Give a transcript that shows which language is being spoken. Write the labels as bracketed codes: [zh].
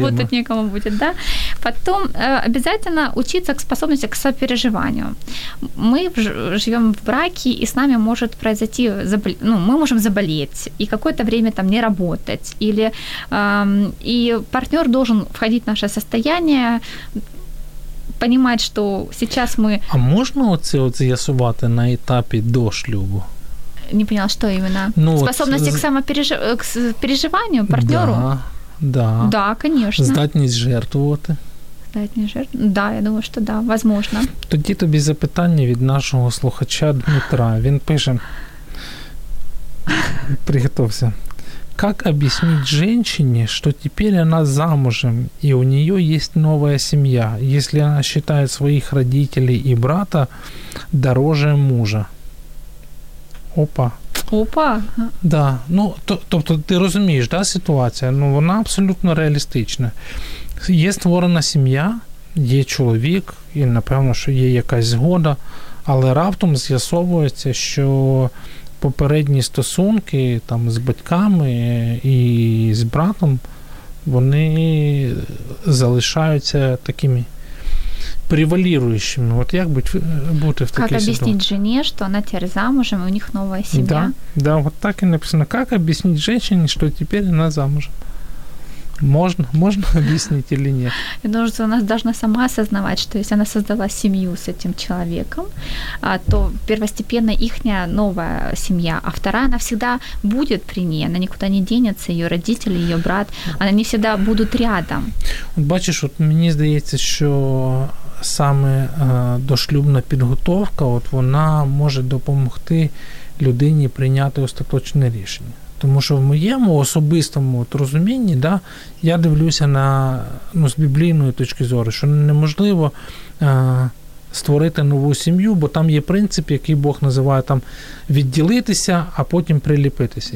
[ru] Работать некому будет, да? Потом обязательно учиться к способности к сопереживанию. Мы живем в браке, и с нами может произойти... Ну, мы можем заболеть и какое-то время там не работать. Или... И партнер должен входить в наше состояние, понимать, что сейчас мы... [uk] А можно оце з'ясувати на етапі до шлюбу? [ru] Не поняла, что именно? Ну, способности от... к самопереживанию партнеру? Да, да. Да, конечно. [uk] Здатність жертвувати? Здатність жертвувати? [ru] Да, я думаю, что да, возможно. [uk] Тоді тобі запитання від нашого слухача Дмитра. Він пише... [ru] Приготовься. Как объяснить женщине, что теперь она замужем, и у нее есть новая семья, если она считает своих родителей и брата дороже мужа? Опа. Опа. Да. [uk] Ну, тобто, ти розумієш, да, ситуація? Ну, вона абсолютно реалістична. Є створена сім'я, є чоловік, і, напевно, що є якась згода, але раптом з'ясовується, що... Попередні стосунки там з батьками і з братом, вони залишаються такими [ru] превалирующими. Вот как быть в такой ситуации? Как объяснить жене, что она теперь замужем, и у них новая семья? Да, да, вот так и написано. Как объяснить женщине, что теперь она замужем? Можно, можно объяснить или нет? Я думаю, что она должна сама осознавать, что если она создала семью с этим человеком, то первостепенно ихняя новая семья, а вторая, она всегда будет при ней, она никуда не денется, ее родители, ее брат, они всегда будут рядом. [uk] Вот бачиш, от мені здається, що саме дошлюбна підготовка, от вона може допомогти людині прийняти остаточне рішення. Тому що в моєму особистому от розумінні, да, я дивлюся на, ну, з біблійної точки зору, що неможливо створити нову сім'ю, бо там є принцип, який Бог називає там відділитися, а потім приліпитися.